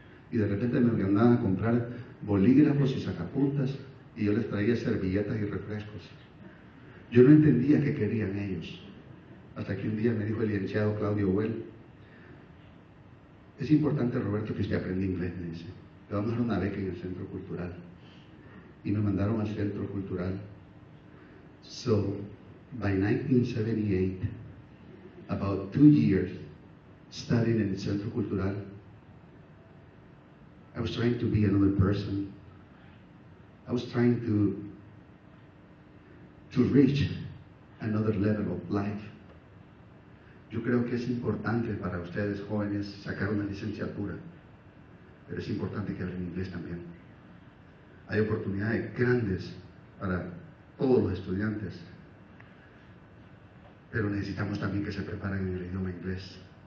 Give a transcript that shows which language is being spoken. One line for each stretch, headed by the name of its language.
Spanish: Y de repente me mandaban a comprar bolígrafos y sacapuntas y yo les traía servilletas y refrescos. Yo no entendía qué querían ellos, hasta que un día me dijo el licenciado Claudio Huel: es importante, Roberto, que usted aprenda inglés, me dice. Le vamos a dar una beca en el Centro Cultural. Y me mandaron al Centro Cultural.
English: So, by 1978, about 2 years studying in the Centro Cultural, I was trying to be another person. I was trying to reach another level of life.
Spanish: Yo creo que es importante para ustedes jóvenes sacar una licenciatura, pero es importante que hablen inglés también. Hay oportunidades grandes para todos los estudiantes, pero necesitamos también que se preparen en el idioma inglés.